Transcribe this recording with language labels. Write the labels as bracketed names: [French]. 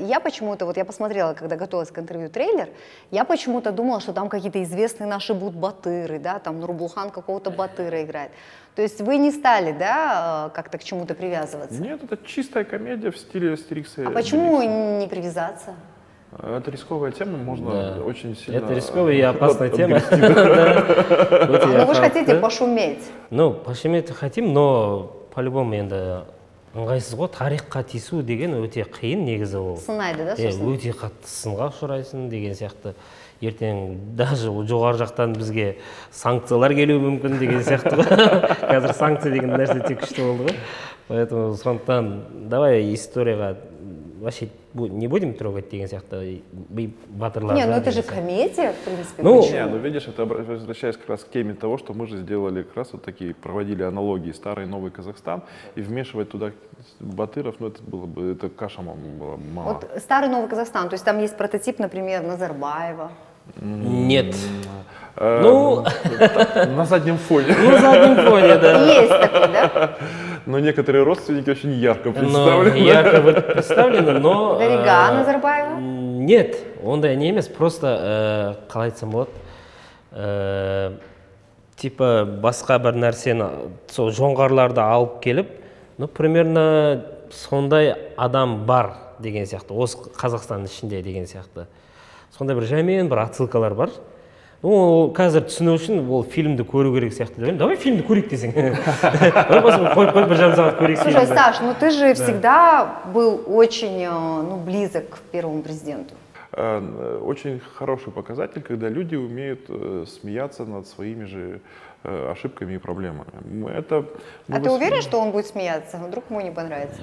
[Russian] Я почему-то, вот я посмотрела, когда готовилась к интервью трейлер, я почему-то думала, что там какие-то известные наши будут батыры, да, там Нурбулхан какого-то батыра играет. То есть вы не стали, да, как-то к чему-то привязываться? Нет, это чистая комедия в стиле Астерикса. А почему не привязаться? Это рисковая тема, можно очень сильно... Это рисковая и опасная тема. Но вы же хотите пошуметь. Ну, пошуметь хотим, но по-любому, [Kazakh] енді, ыңғайсыз ғой, тарихқа тиісу деген өте қиын негізі ол. Сынайды, да, сосын? Өте қатты сынға ұшырайсың деген сияқты. Ертең [Russian] даже [Kazakh] жоғары жақтан бізге санкциялар келуі мүмкін деген сияқты. Қазір санкция деген нәрсе тек күшті болды ғой. [Russian] Поэтому [Kazakh] сондықтан [Russian] давай историяға вообще не будем трогать [Kazakh] деген сияқты. Батырлар. [Russian] Не, ну это же комедия, в принципе. Ну, видишь, это возвращаясь как раз к теме того, что мы же сделали как раз вот такие, проводили аналогии старый и новый Казахстан, и вмешивать туда батыров, ну это было бы, это каша была мало. Вот старый новый Казахстан, то есть там есть прототип, например, Назарбаева. Нет. Ну, на заднем фоне. Ну, на заднем фоне, да. Есть такой, да? Но некоторые родственники очень ярко представлены. Но ярко представлены, но... Дариға Назарбаева? Нет, [Kazakh] ондай не емес, просто қалайтысым болот. [Russian] Типа, [Kazakh] басқа бір нәрсені, сол жоңғарларды алып келіп, [Russian] ну, примерно, [Kazakh] сондай адам бар деген сияқты, осы Қазақстанның ішінде деген сияқты. Сондай бір жәмен, бір отсылкалар бар. Ну, қазір түсіну үшін ол фильмді көру керек сияқты деп, [Russian] давай [Kazakh] фильмді көрейік десең. Қой бір жарым сағат көрейік. [Russian] Слушай, Саш, ну ты же всегда был очень, ну, близок к первому президенту. Очень хороший показатель, когда люди умеют смеяться над своими же ошибками и проблемами. Это, ну, а ты уверен, что он будет смеяться? Вдруг ему не понравится?